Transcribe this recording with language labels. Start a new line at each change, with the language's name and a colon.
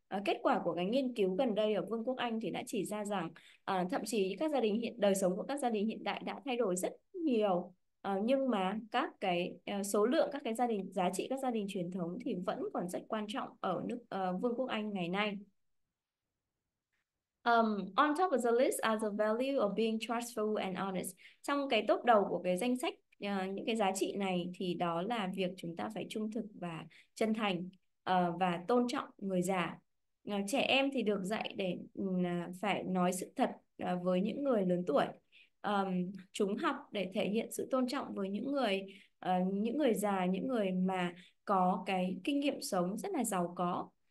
Vietnamese: Kết quả của cái nghiên cứu gần đây ở Vương quốc Anh thì đã chỉ ra rằng thậm chí các gia đình hiện đời sống của các gia đình hiện đại đã thay đổi rất nhiều, nhưng mà các cái số lượng các cái gia đình, giá trị các gia đình truyền thống thì vẫn còn rất quan trọng ở nước Vương quốc Anh ngày nay.
English: On top of the list are the value of being trustful and honest.
Vietnamese: Trong cái top đầu của cái danh sách những cái giá trị này thì đó là việc chúng ta phải trung thực và chân thành và tôn trọng người già. Trẻ em thì được dạy để phải nói sự thật với những người lớn tuổi. Chúng học để thể hiện sự tôn trọng với những người già, những người mà có cái kinh nghiệm sống rất là giàu có.